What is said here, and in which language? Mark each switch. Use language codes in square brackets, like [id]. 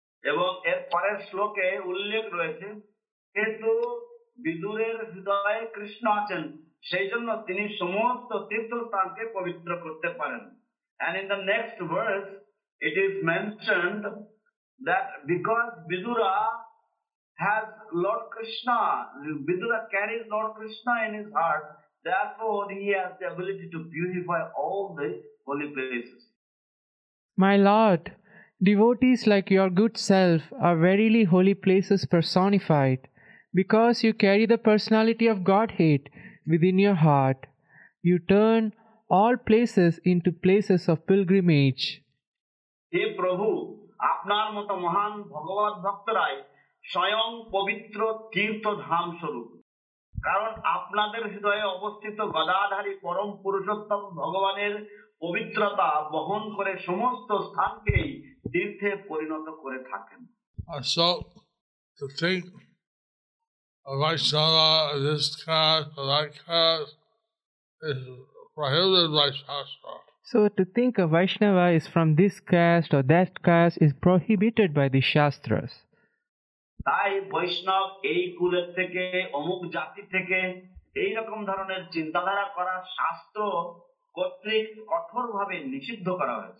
[bn] এবং এর পরের শ্লোকে উল্লেখ রয়েছে, কিন্তু বিদুরের হৃদয়ে কৃষ্ণ আছেন, সেই জন্য তিনি সমস্ত তীর্থস্থানকে পবিত্র করতে পারেন। [en] And in the next verse, it is mentioned that because Vidura has Lord Krishna, Vidura carries Lord Krishna in his heart, therefore, he has the ability to purify all the holy places. My Lord, devotees like your good self are verily holy places personified. Because you carry the personality of Godhead within your heart, you turn all places into places of pilgrimage. [bn] He Prabhu, apnar moto mahan bhagavad bhaktarai, swayam pavitra tirtha dham swarup. কারণ আপনাদের হৃদয়ে অবস্থিত গদাধারী পরম পুরুষোত্তম ভগবানের পবিত্রতা বহন করে সমস্ত স্থানকে তীর্থে পরিণত করে থাকেন। [en] So, to think a Vaishnava of this caste or that caste is prohibited by Shastra. So, to think a Vaishnava is from this caste or that caste is prohibited by the Shastras. [bn] তাই বৈষ্ণব এই কুলের থেকে অমুক জাতি থেকে এই রকম ধরনের চিন্তাধারা করা শাস্ত্র কর্তৃক কঠোরভাবে নিষিদ্ধ করা